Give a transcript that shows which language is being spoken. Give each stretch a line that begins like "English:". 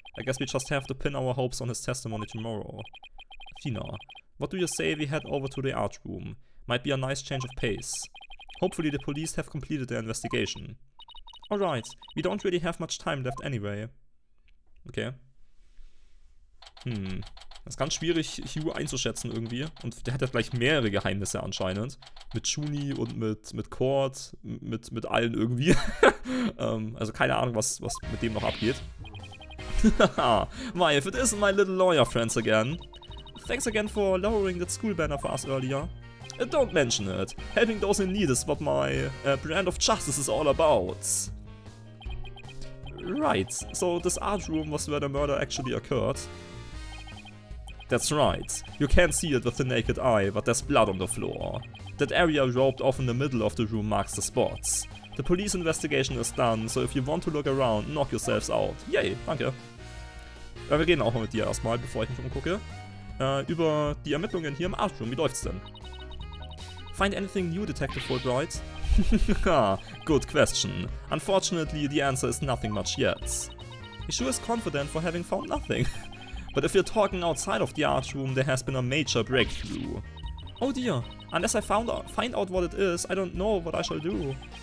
English: I guess we just have to pin our hopes on his testimony tomorrow. Athena, what do you say we head over to the art room? Might be a nice change of pace. Hopefully the police have completed their investigation. Alright, we don't really have much time left anyway. Okay.
German: Das ist ganz schwierig, Hugh einzuschätzen irgendwie. Und der hat ja gleich mehrere Geheimnisse anscheinend. Mit Juni und mit Cord, mit allen irgendwie. also keine Ahnung, was mit dem noch abgeht.
English: Why, if it isn't my little lawyer friends again. Thanks again for lowering that school banner for us earlier. Don't mention it. Helping those in need is what my brand of justice is all about. Right, so this art room was where the murder actually occurred. That's right. You can't see it with the naked eye, but there's blood on the floor. That area roped off in the middle of the room marks the spots. The police investigation is done, so if you want to look around, knock yourselves out.
German: Yay, danke. Ja, wir gehen auch mal mit dir erstmal, bevor ich mich umgucke. Über die Ermittlungen hier im art room, wie läuft's denn?
English: Find anything new, Detective Fulbright? Good question. Unfortunately, the answer is nothing much yet. He sure is confident for having found nothing. But if you're talking outside of the art room, there has been a major breakthrough. Oh dear, unless I find out what it is, I don't know what I shall do.